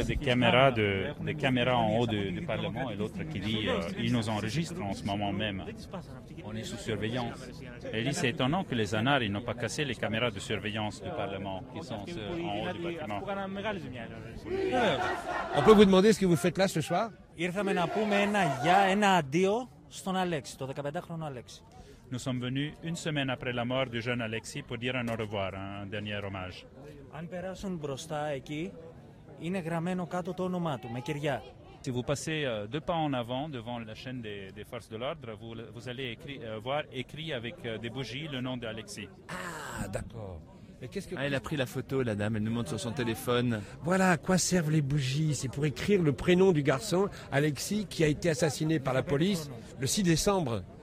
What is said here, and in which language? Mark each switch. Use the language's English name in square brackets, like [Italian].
[French] Ils parlent des caméras en haut du Parlement et l'autre qui dit ils nous enregistrent en ce moment même. On est sous surveillance. Et il dit c'est étonnant que les anars n'ont pas cassé les caméras de surveillance du Parlement qui sont en haut du bâtiment. On peut vous demander ce que vous faites là ce soir ? [Greek] Ήρθαμε να πούμε ένα αντίο στον Αλέξη, το 15χρονο Αλέξη. [French] Nous sommes venus une semaine après la mort du jeune Alexis pour dire un au revoir, un dernier hommage. [Greek] Αν περάσουν μπροστά εκεί, είναι γραμμένο κάτω το όνομά του, με κυριά. [French] Si vous passez deux pas en avant devant la chaîne des forces de l'ordre, vous allez voir écrit avec des bougies le nom d'Alexis. Ah, d'accord. Elle a pris la photo, la dame, elle nous montre sur son téléphone. Voilà, à quoi servent les bougies ? C'est pour écrire le prénom du garçon, Alexis, qui a été assassiné par la police le 6 décembre.